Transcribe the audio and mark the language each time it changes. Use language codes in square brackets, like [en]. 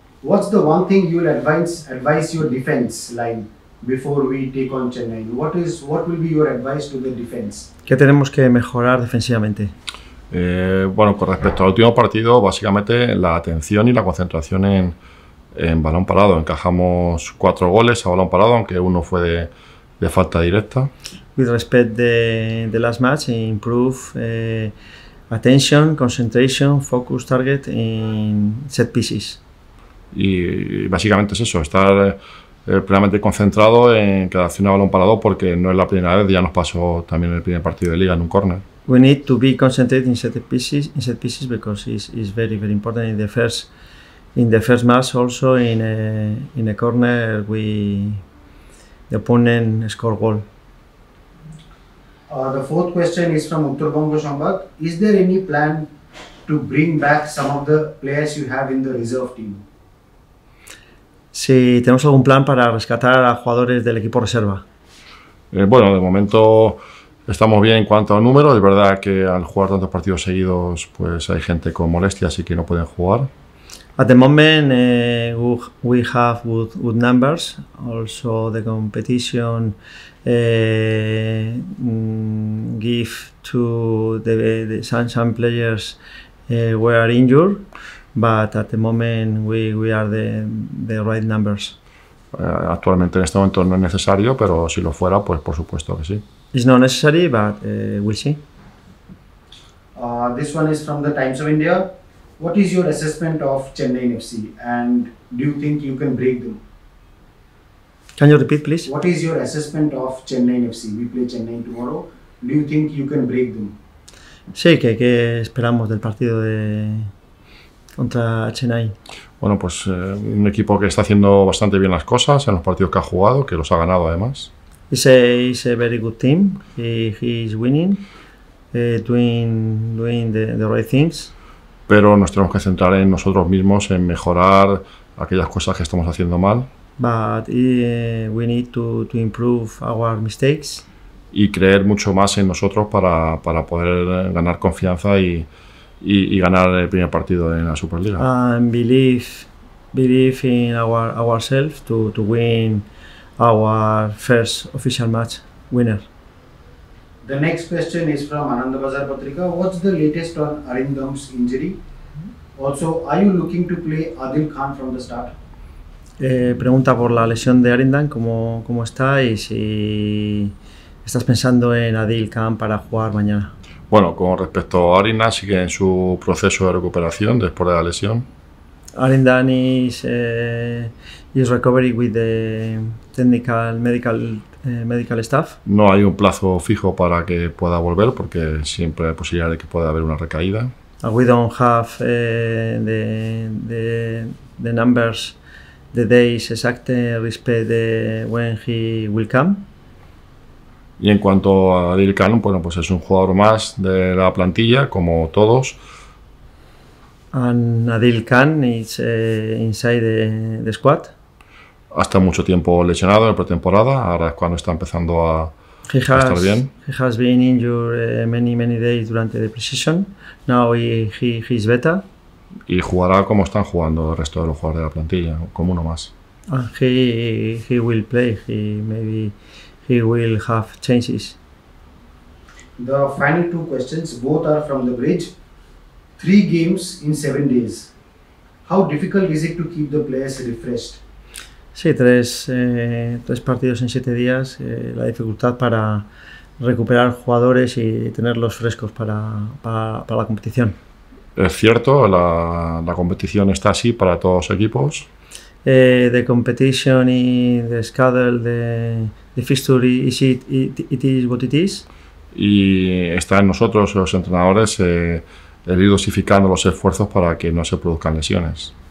[en] What's the one thing you'll advise your defense line before we take on Chennai? What will be your advice to the defense? [es] ¿Qué tenemos que mejorar defensivamente? Bueno, con respecto al último partido, básicamente la atención y la concentración en balón parado. Encajamos 4 goles a balón parado, aunque uno fue de falta directa. [en] With respect the last match, improve attention, concentration, focus, target in set pieces. [es] Y básicamente es eso, estar plenamente concentrado en cada acción a balón parado, porque no es la primera vez, ya nos pasó también en el primer partido de liga en un corner. [en] We need to be concentrated in set pieces because it's very very important in the first match. Also in a corner the opponent score goal. The fourth question is from Uttarbongo Sambad. Is there any plan to bring back some of the players you have in the reserve team? [es] Si tenemos algún plan para rescatar a jugadores del equipo reserva. Bueno, de momento estamos bien en cuanto al número. Es verdad que al jugar tantos partidos seguidos, pues hay gente con molestias y que no pueden jugar. [en] At the moment we have good numbers. Also the competition give to the some players were injured, but at the moment we are the right numbers. [es] Actualmente en este momento no es necesario, pero si lo fuera, pues por supuesto que sí. [en] It's not necessary, but we'll see. This one is from the Times of India. What is your assessment of Chennaiyin FC and do you think you can break them? Can you repeat, please? What is your assessment of Chennaiyin FC? We play Chennaiyin tomorrow. Do you think you can break them? [es] Sí, ¿qué esperamos del partido contra Chennai? Bueno, pues un equipo que está haciendo bastante bien las cosas en los partidos que ha jugado, que los ha ganado además. [en] It's a very good team. He is winning, doing the right things. [es] Pero nos tenemos que centrar en nosotros mismos, en mejorar aquellas cosas que estamos haciendo mal. [en] But we need to improve our mistakes. [es] Y creer mucho más en nosotros para poder ganar confianza y ganar el primer partido en la Superliga. [en] Believe in ourselves to win our first official match winner. The next question is from Ananda Bazar Patrika. What's the latest on Arindam's injury? Also, are you looking to play Adil Khan from the start? [es] Pregunta por la lesión de Arindam, cómo está y si estás pensando en Adil Khan para jugar mañana. Bueno, con respecto a Arindam, sigue en su proceso de recuperación después de la lesión. [en] Arindam is recovering with the medical staff. [es] No hay un plazo fijo para que pueda volver porque siempre hay posibilidad de que pueda haber una recaída. [en] We don't have the numbers, the days exact respect to when he will come. [es] Y en cuanto a Adil Khan, bueno, pues es un jugador más de la plantilla, como todos. [en] And Adil Khan is inside the squad. [es] Ha estado mucho tiempo lesionado en la pretemporada, ahora es cuando está empezando a estar bien. [en] He has been injured many days [es] durante [en] the pre-season. Now he is better. [es] Y jugará como están jugando el resto de los jugadores de la plantilla, como uno más. [en] He will play, maybe he will have chances. The final two questions, both are from the bridge. 3 games in 7 days. How difficult is it to keep the players refreshed? [es] Sí, tres partidos en 7 días. La dificultad para recuperar jugadores y tenerlos frescos para la competición. Es cierto, la competición está así para todos los equipos. [en] The competition in the schedule, the fixture, it is what it is. [es] Y está en nosotros, los entrenadores, el ir dosificando los esfuerzos para que no se produzcan lesiones.